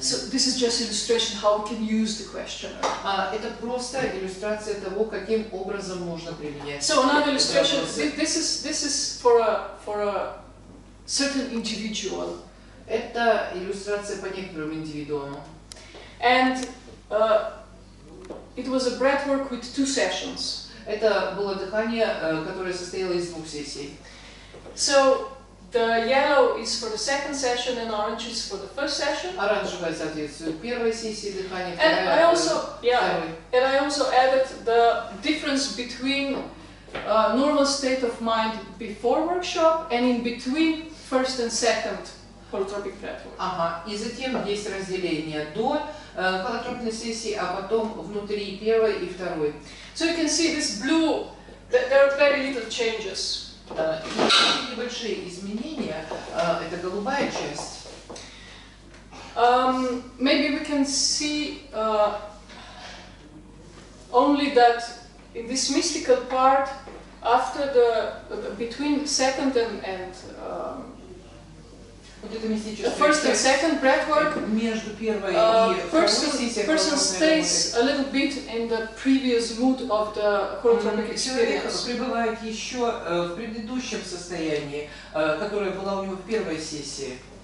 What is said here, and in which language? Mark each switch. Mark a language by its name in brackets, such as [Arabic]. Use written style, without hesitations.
[English] So this is just illustration how we can use the questioner. [Russian] Это просто иллюстрация того, каким образом можно применять. [English] So another illustration. This is for a certain individual. [Russian] Это иллюстрация по некоторым индивидууму. [English] And it was a breathwork with two sessions. [Russian] Это было дыхание, которое состояло из двух сессий. [English] So the yellow is for the second session and orange is for the first session. [Russian] Оранжевое соответствует первой сессии дыхания. [English] And I also, added the difference between normal state of mind before workshop and in between first and second holotropic breathwork. [Russian] Ага. И затем есть разделение до холотропной сессии, а потом внутри первой и второй. [English] So you can see this blue, that there are very little changes. [Russian] Небольшие изменения. Это голубая часть. [English] Maybe we can see only that in this mystical part, after the between second and the first and second breathwork, [Russian] между первой и второй, [English] person stays a little bit in the previous mood of the holotropic experience. [Russian] Человек пребывает еще в предыдущем состоянии, которое было у него в первой сессии.